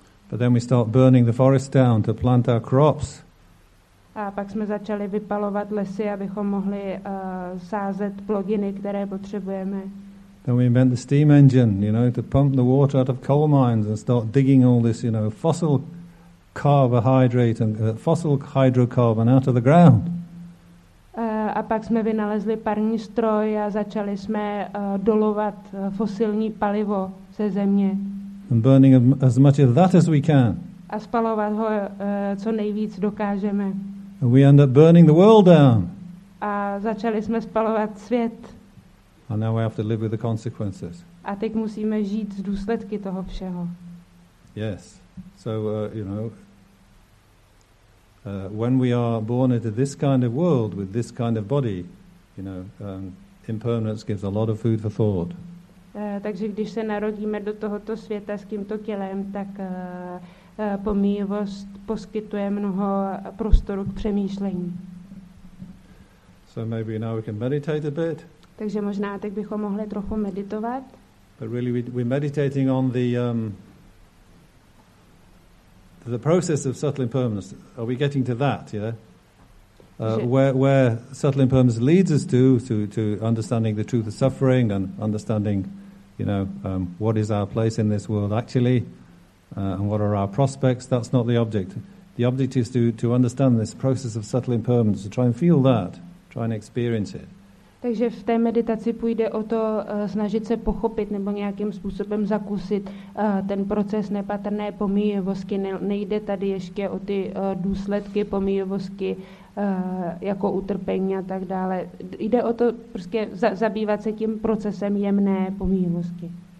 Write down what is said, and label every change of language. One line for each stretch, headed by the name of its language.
English: But then we start burning the forest down to plant our crops.
Czech: A pak jsme začali vypalovat lesy, abychom mohli sázet plodiny, které potřebujeme.
English: Then we invent the steam engine, you know, to pump the water out of coal mines and start digging all this, you know, fossil carbohydrate and fossil hydrocarbon out of the ground.
Czech: A pak jsme vynalezli parní stroj a začali jsme dolovat fosilní palivo ze země.
English: And burning as much of that as we can.
Czech: A spalovat ho co nejvíc dokážeme.
English: And we end up burning the world down.
Czech: A začali jsme spalovat svět.
English: And now we have to live with the consequences.
Czech: A teď musíme žít s důsledky toho všeho.
English: Yes. So, you know, when we are born into this kind of world with this kind of body, you know, impermanence gives a lot of food for thought.
Czech: Takže když se narodíme do tohoto světa s tímto tělem, tak pomíjivost poskytuje mnoho prostoru k přemýšlení.
English: So maybe now we can meditate a bit.
Czech: Takže možná tak bychom mohli trochu meditovat.
English: But really we're meditating on the process of subtle impermanence. Are we getting to that, yeah? Where subtle impermanence leads us to understanding the truth of suffering and understanding, you know, what is our place in this world actually, and what are our prospects. That's not the object. The object is to understand this process of subtle impermanence, to try and feel that, try and experience it.
Czech: Takže v té meditaci půjde o to snažit se pochopit nebo nějakým způsobem zakusit ten proces nepatrné pomíjivosti. Nejde tady ještě o ty důsledky pomíjivosti jako utrpení a tak dále. Jde o to prostě zabývat se tím procesem jemné pomíjivosti.